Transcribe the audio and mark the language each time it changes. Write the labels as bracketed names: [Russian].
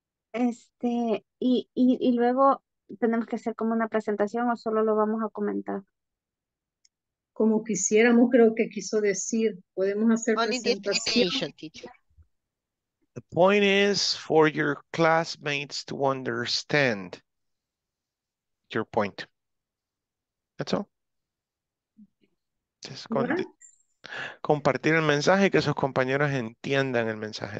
[Spanish] Y luego tenemos que hacer como una presentación o solo lo vamos a comentar. Como quisiéramos, creo que quiso decir, podemos hacer [English] only [Spanish] presentación. [English] The point is for your classmates to understand your point. That's all. Just going to [Spanish] compartir el mensaje que sus compañeros entiendan el mensaje.